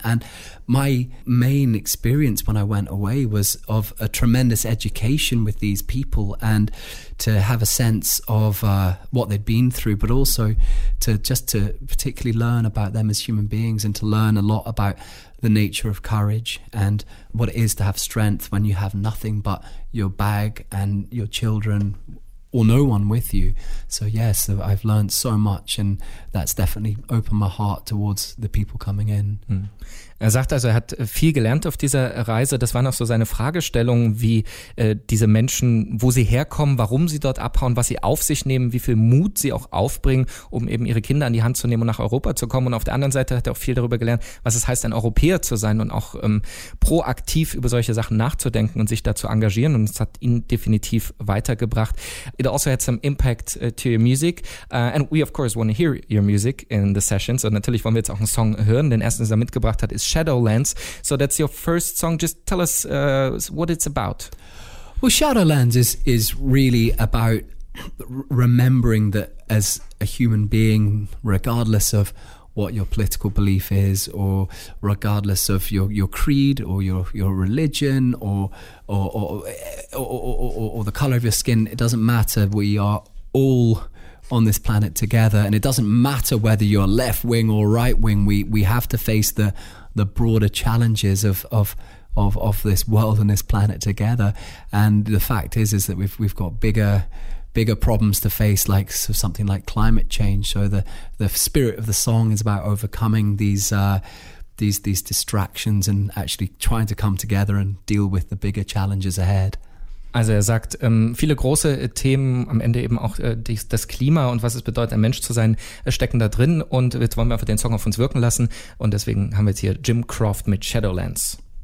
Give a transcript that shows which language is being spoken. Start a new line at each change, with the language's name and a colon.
English: And my main experience when I went away was of a tremendous education with these people, and to have a sense of what they'd been through, but also to just to particularly learn about them as human beings, and to learn a lot about the nature of courage and what it is to have strength when you have nothing but your bag and your children or no one with you. So yes, I've learned so much, and that's definitely opened my heart towards the people coming in.
German: Er sagt also, er hat viel gelernt auf dieser Reise. Das waren auch so seine Fragestellungen, wie diese Menschen, wo sie herkommen, warum sie dort abhauen, was sie auf sich nehmen, wie viel Mut sie auch aufbringen, um eben ihre Kinder an die Hand zu nehmen und nach Europa zu kommen. Und auf der anderen Seite hat er auch viel darüber gelernt, was es heißt, ein Europäer zu sein und auch proaktiv über solche Sachen nachzudenken und sich da zu engagieren. Und es hat ihn definitiv weitergebracht.
English: It also had some impact to your music. And we of course want to hear your music in the sessions.
German: Und natürlich wollen wir jetzt auch einen Song hören, den erstens er mitgebracht hat, is Shadowlands.
English: So that's your first song. Just tell us what it's about. Well, Shadowlands is really about remembering that as a human being, regardless of what your political belief is, or regardless of your creed or your religion or the color of your skin, it doesn't matter. We are all on this planet together, and it doesn't matter whether you're left wing or right wing. We have to face the broader challenges of this world and this planet together. And the fact is that we've got bigger problems to face, like so something like climate change. So the spirit of the song is about overcoming these distractions and actually trying to come together and deal with the bigger challenges ahead.
German: Also er sagt, viele große Themen, am Ende eben auch das Klima und was es bedeutet, ein Mensch zu sein, stecken da drin. Und jetzt wollen wir einfach den Song auf uns wirken lassen. Und deswegen haben wir jetzt hier Jim Croft mit Shadowlands.